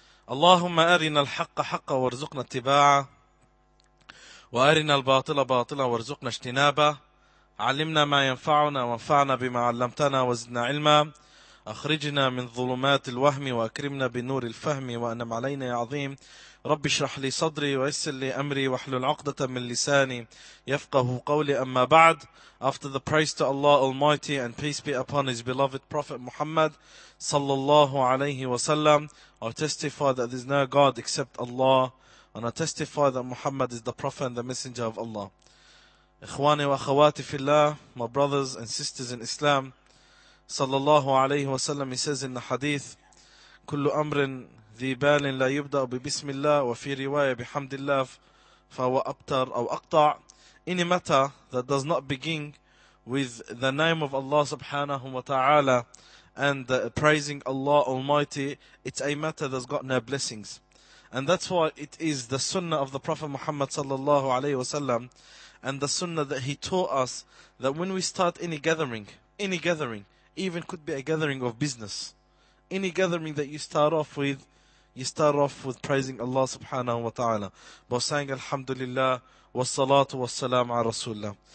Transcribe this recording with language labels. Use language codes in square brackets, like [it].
[ar] اللهم أرنا الحق حقا وارزقنا اتباعه، وأرنا الباطل باطلا وارزقنا اجتنابه، علمنا ما ينفعنا وانفعنا بما علمتنا وزدنا علما، أخرجنا من ظلمات الوهم وأكرمنا بنور الفهم وأنعم علينا يا عظيم. رب اشرح لي صدري ويسر لي أمري واحلل عقدة من لساني يفقه قولي. أما بعد، [en] after the praise to Allah Almighty and peace be upon His beloved Prophet Muhammad صلى الله عليه وسلم, I testify that there is no God except Allah, and I testify that Muhammad is the Prophet and the Messenger of Allah. [ar] إخواني وأخواتي في الله, [en] my brothers and sisters in Islam, [ar] صلى الله عليه وسلم, [en] he says in the hadith, [ar] كل أمر ذي بال لا يبدأ ببسم الله وفي رواية بحمد الله فهو أبتر أو أقطع. [en] Any matter that does not begin with the name of Allah subhanahu wa ta'ala and praising Allah Almighty, it's a matter that's got no blessings. And that's why it is the sunnah of the Prophet Muhammad sallallahu alayhi wa sallam, and the sunnah that he taught us, that when we start any gathering, even could be a gathering of business, any gathering that you start off with, you start off with praising Allah subhanahu wa ta'ala, by saying alhamdulillah wa salatu wa salam ala rasulullah.